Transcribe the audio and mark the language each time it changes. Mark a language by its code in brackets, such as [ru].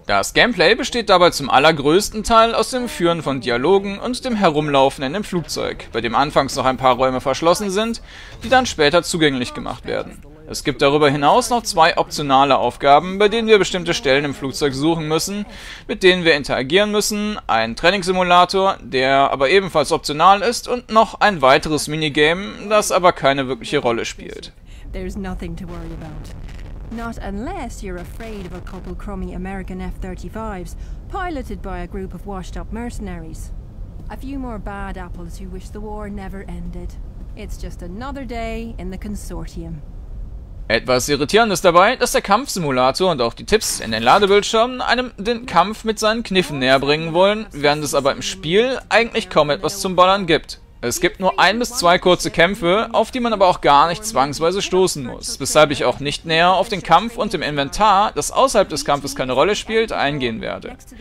[de] Das Gameplay besteht dabei zum allergrößten Teil aus dem Führen von Dialogen und dem Herumlaufen in dem Flugzeug, bei dem anfangs noch ein paar Räume verschlossen sind, die dann später zugänglich gemacht werden. Es gibt darüber hinaus noch zwei optionale Aufgaben, bei denen wir bestimmte Stellen im Flugzeug suchen müssen, mit denen wir interagieren müssen, ein Trainingssimulator, der aber ebenfalls optional ist, und noch ein weiteres Minigame, das aber keine wirkliche Rolle spielt. [en] There's nothing to worry about. Not unless you're afraid of a couple crummy American F-35s, piloted by a group of washed-up mercenaries. A few more bad apples who wish the war never ended. It's just another day in the consortium. [de] Etwas irritierend ist dabei, dass der Kampfsimulator und auch die Tipps in den Ladebildschirmen einem den Kampf mit seinen Kniffen näher bringen wollen, während es aber im Spiel eigentlich kaum etwas zum Ballern gibt. Es gibt nur ein bis zwei kurze Kämpfe, auf die man aber auch gar nicht zwangsweise stoßen muss, weshalb ich auch nicht näher auf den Kampf und dem Inventar, das außerhalb des Kampfes keine Rolle spielt, eingehen werde.